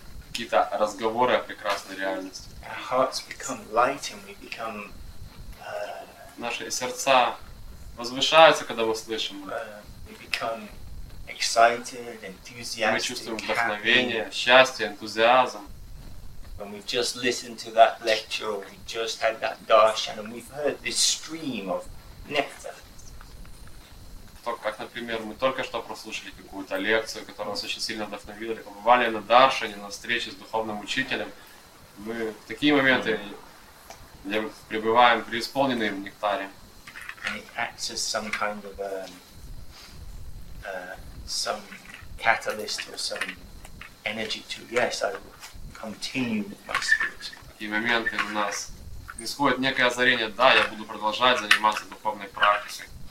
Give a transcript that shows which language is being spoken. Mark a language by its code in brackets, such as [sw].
[ru] Какие-то разговоры о прекрасной реальности. [en] Our hearts become light and we become. [ru] Наши сердца возвышаются, когда мы слышим. [en] We become excited, enthusiastic. [ru] Мы чувствуем вдохновение, [en] happy. [ru] Счастье, энтузиазм. [en] When we've just listened to that lecture, we just had that darshan, and we've heard this stream of nectar. [ru] То, как, например, мы только что прослушали какую-то лекцию, которая нас очень сильно вдохновила, или побывали на даршане, на встрече с духовным учителем. Мы в такие моменты пребываем преисполненные в нектаре. [en] And it acts as some kind of some catalyst or some energy to, yes, I will continue with my spiritual. [ru] В такие моменты у нас исходит некое озарение, да, я буду продолжать заниматься духовной практикой.